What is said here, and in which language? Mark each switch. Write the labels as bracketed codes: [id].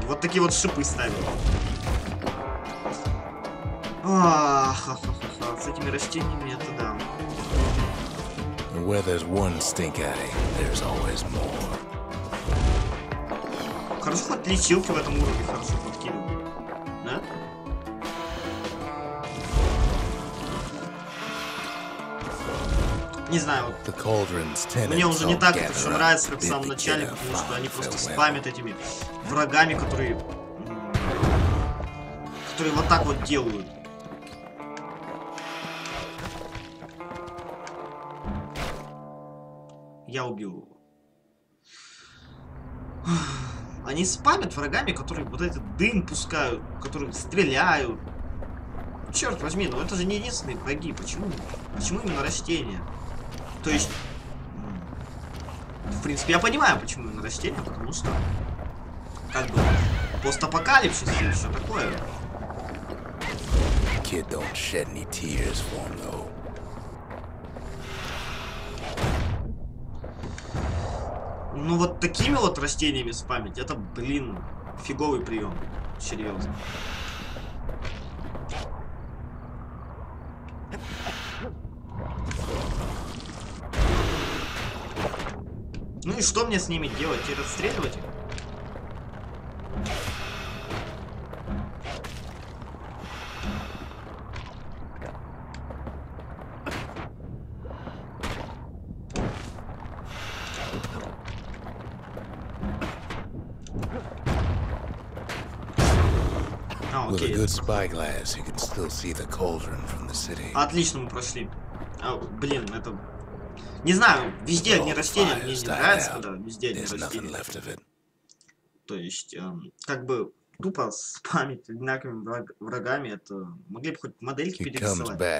[ru] Вот такие вот шипы ставила. Ха-ха-ха-ха. С этими растениями это да. [en] Where there's one stink eye, there's always more. [ru] Хорошо, хоть лечилки в этом уровне хорошо подкидывают. Да? Не знаю, вот... [en] The cauldron's tenants. [ru] Мне уже не так это все нравится, как в самом начале, потому что они просто спамят этими врагами, которые... Которые вот так вот делают. Я убью. Они спамят врагами, которые вот этот дым пускают, которые стреляют. Черт возьми, но это же не единственные враги. Почему? Почему именно растения? То есть, в принципе, я понимаю, почему именно растения, потому что как бы постапокалипсис и все такое. [en] Kid don't shed any tears for him, though. [ru] Ну вот такими вот растениями спамить, это, блин, фиговый прием. Серьезно. Ну и что мне с ними делать? И расстреливать их? [en] With a good spyglass, you can still see the cauldron from the city. [ru] Отлично, мы прошли. А, блин, это... Не знаю, везде одни растения, мне не нравится, когда везде одни растения. То есть, как бы, тупо спамить одинаковыми врагами, это... Могли бы хоть модельки перерисовать.